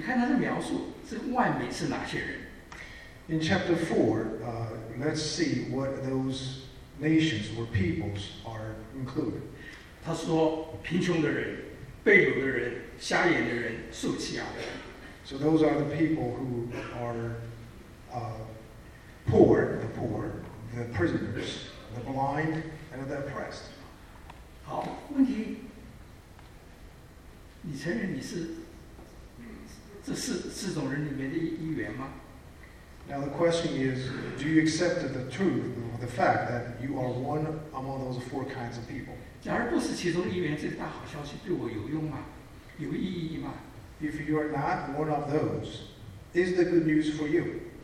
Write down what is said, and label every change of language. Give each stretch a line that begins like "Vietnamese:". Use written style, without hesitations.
Chinese: 来解释的什么呢？你看他的描述，这万民是哪些人
English: ？In chapter 4, let's see what those nations or peoples are included.
Chinese: 他说：贫穷的人、被掳的人、瞎眼的人、受欺压的人。
English: So those are the people who are poor, the poor, the prisoners, the blind, and the oppressed.
Chinese: 好，问题。你承认你是这四种人里面的一员吗？
English: Now the question is, do you accept the truth or the fact that you are one among those four kinds of people?
Chinese: 假如不是其中一员，这个大好消息对我有用吗？有意义吗？
English: If you are not one of those, is the good news for you?